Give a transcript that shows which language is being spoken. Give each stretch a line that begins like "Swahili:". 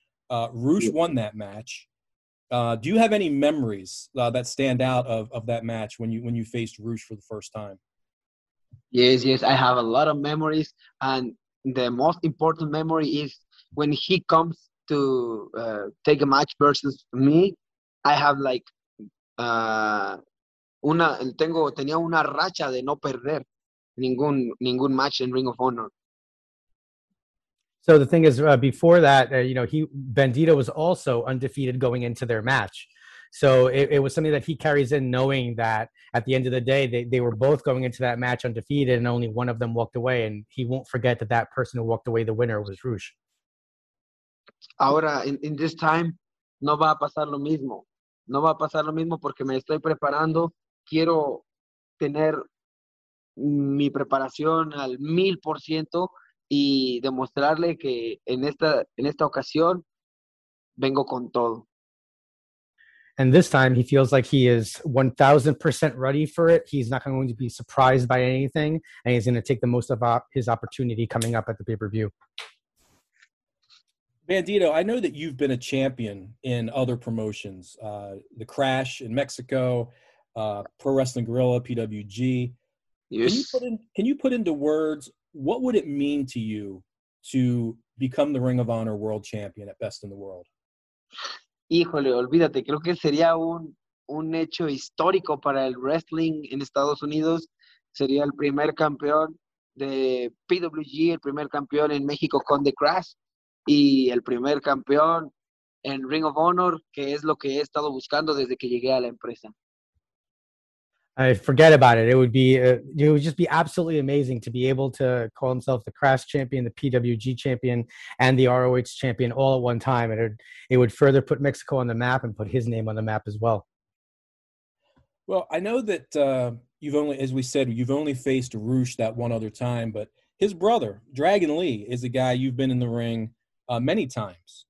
English: Rush won that match. Do you have any memories that stand out of that match when you faced Rush for the first time? Yes, I have a lot of memories, and the most important memory is when he comes to take a match versus me. I have like
Spanish: tenía una racha de no perder ningún match in Ring of Honor.
English: So the thing is, before that, you know, Bandido was also undefeated going into their match. So it was something that he carries in, knowing that at the end of the day, they were both going into that match undefeated and only one of them walked away. And he won't forget that person who walked away, the winner, was Rush.
Spanish: Ahora,
English: in this time,
Spanish: no va a pasar lo mismo. No va a pasar lo mismo porque me estoy preparando. Quiero tener mi preparación al 1000% y demostrarle que en esta ocasión vengo con todo.
English: And this time he feels like he is 1000% ready for it. He's not going to be surprised by anything, and he's going to take the most of his opportunity coming up at the pay-per-view. Bandido, I know that you've been a champion in other promotions, The Crash in Mexico, Pro Wrestling Guerrilla, PWG. Yes. Can you put into words what would it mean to you to become the Ring of Honor World Champion at Best in the World?
Spanish: Híjole, olvídate. Creo que sería un hecho histórico para el wrestling en Estados Unidos. Sería el primer campeón de PWG, el primer campeón en México con The Crash, y el primer campeón en Ring of Honor, que es lo que he estado buscando desde que llegué a la empresa.
English: I forget about it. It would just be absolutely amazing to be able to call himself the Crash champion, the PWG champion, and the ROH champion all at one time. And it would further put Mexico on the map and put his name on the map as well. Well, I know that you've only faced Rush that one other time, but his brother, Dragon Lee, is a guy you've been in the ring many times.